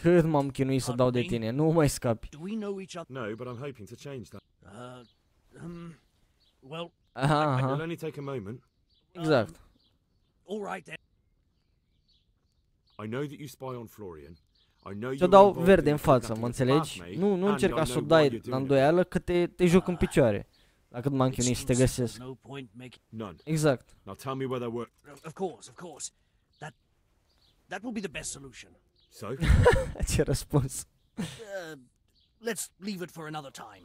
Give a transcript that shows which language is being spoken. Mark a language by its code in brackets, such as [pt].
[ro] Cât m-am chinuit să dau de tine, nu mai scapi. [en] Do we know each other? No, but I'm hoping to change that. Well, it'll only take a moment. [ro] Exact. [en] All right then. I know that you spy on Florian. I know [ro] you. Te dau verde în față, mă înțelegi? Nu încerca să o dai la îndoială că te joc în picioare. Dacă m-am chinuit să te găsesc. Exact. [en] Now tell me where they work. Of course. That will be the best solution. So? [ro] Ce răspuns? [en] Let's leave it for another time.